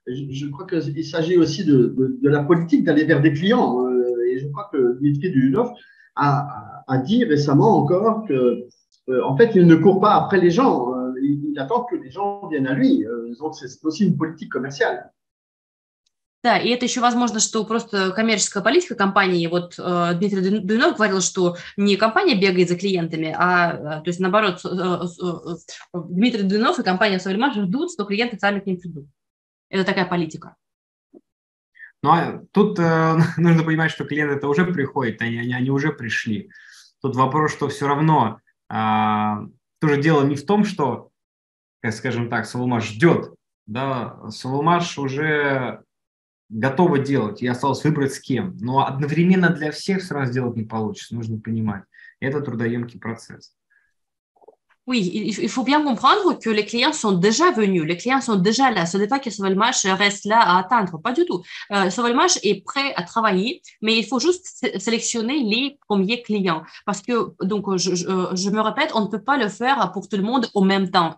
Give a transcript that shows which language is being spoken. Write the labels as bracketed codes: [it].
[fr] Je crois qu'il s'agit aussi de la politique d'aller vers des clients. Et je crois que Dmitri Dudinov a dit récemment encore que, en fait, il ne court pas après les gens. Il attend que les gens viennent à lui. Donc, c'est aussi une politique commerciale. [ru] Да, и это еще возможно, что просто коммерческая политика компании. Вот Дмитрий Дуйнов говорил, что не компания бегает за клиентами, а то есть наоборот, Дмитрий Дуйнов и компания Совермаш ждут, что клиенты сами к ним придут. Это такая политика. Ну, а тут нужно понимать, что клиенты это уже приходят, они уже пришли. Тут вопрос, что все равно тоже дело не в том, что, скажем так, Совермаш ждет. Да, Совермаш уже готовы делать, и осталось выбрать с кем. Но одновременно для всех сразу сделать не получится, нужно понимать. Это трудоемкий процесс. [fr] Oui, il faut bien comprendre que les clients sont déjà venus, les clients sont déjà là. Ce n'est pas que Sauvelmash reste là à attendre, pas du tout. Sauvelmash est prêt à travailler, mais il faut juste sélectionner les premiers clients. Parce que, donc, je me répète, on ne peut pas le faire pour tout le monde en même temps.